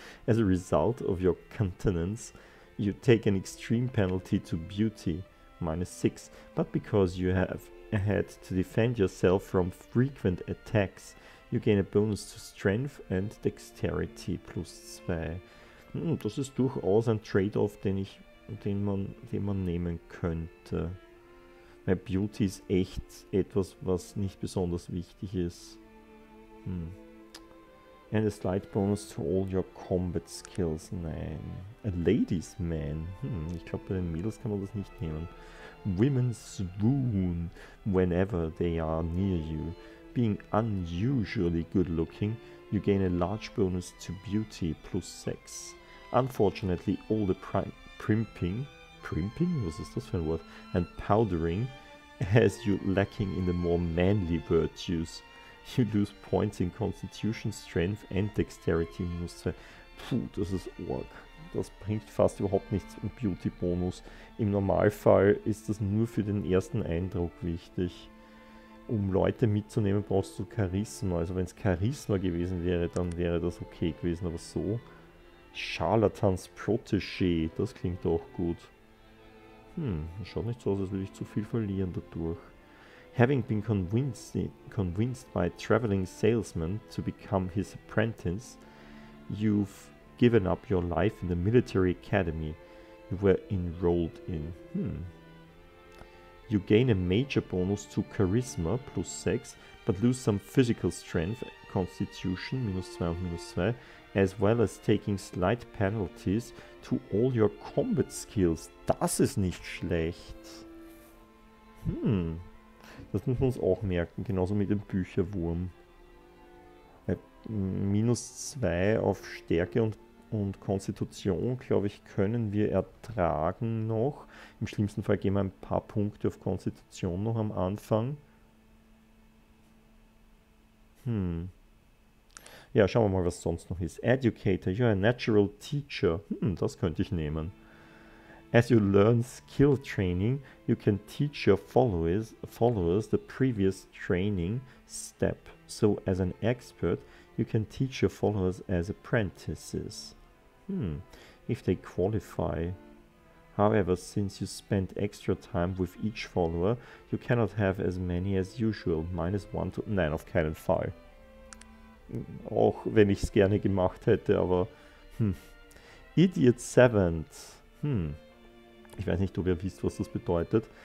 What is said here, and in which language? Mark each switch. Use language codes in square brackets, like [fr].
[en] As a result of your countenance, you take an extreme penalty to beauty, minus 6. But because you have had to defend yourself from frequent attacks, you gain a bonus to strength and dexterity, plus 2. [de] Das ist durchaus ein Trade-off, den man nehmen könnte. Weil Beauty ist echt etwas, was nicht besonders wichtig ist. [en] And a slight bonus to all your combat skills. [de] Nein. [en] A ladies' man. [de] Ich glaube, bei den Mädels kann man das nicht nehmen. [en] Women swoon whenever they are near you. Being unusually good looking, you gain a large bonus to beauty plus 6. Unfortunately, all the primping? [de] Was ist das für ein Wort? [en] And powdering has you lacking in the more manly virtues. You lose points in constitution, strength and dexterity. [de] Puh, das ist arg. Das bringt fast überhaupt nichts im Beauty-Bonus. Im Normalfall ist das nur für den ersten Eindruck wichtig. Um Leute mitzunehmen, brauchst du Charisma. Also wenn es Charisma gewesen wäre, dann wäre das okay gewesen. Aber so. Charlatans Protégé, das klingt auch gut. Schaut nicht so aus, als würde ich zu viel verlieren dadurch. [en] Having been convinced by a traveling salesman to become his apprentice, you've given up your life in the military academy you were enrolled in. You gain a major bonus to charisma plus 6, but lose some physical strength Constitution, minus 2 [de] und minus 2, [en] as well as taking slight penalties to all your combat skills. [de] Das ist nicht schlecht. Das muss man uns auch merken, genauso mit dem Bücherwurm. Minus 2 auf Stärke und Konstitution, glaube ich, können wir ertragen noch. Im schlimmsten Fall geben wir ein paar Punkte auf Konstitution noch am Anfang. Ja, schauen wir mal, was sonst noch ist. [en] Educator, you're a natural teacher. [de] Das könnte ich nehmen. [en] As you learn skill training, you can teach your followers the previous training step. So as an expert, you can teach your followers as apprentices. If they qualify. However, since you spend extra time with each follower, you cannot have as many as usual. Minus one to... [de] Nein, auf keinen Fall. Auch wenn ich es gerne gemacht hätte, aber... Idiot 7. Ich weiß nicht, ob ihr wisst, was das bedeutet.